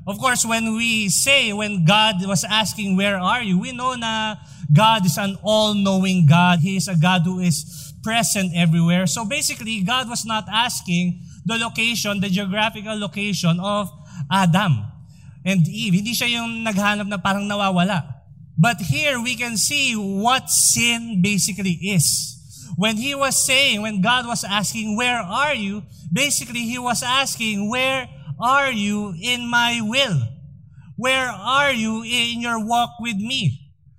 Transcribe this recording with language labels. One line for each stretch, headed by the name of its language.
English: Of course, when we say, when God was asking, where are you? We know na God is an all-knowing God. He is a God who is present everywhere. So basically, God was not asking the location, the geographical location of Adam and Eve.
Filipino: Hindi siya yung naghanap na parang nawawala.
English: But here we can see what sin basically is. When he was saying, when God was asking, where are you? Basically, he was asking, where are you in my will? Where are you in your walk with me?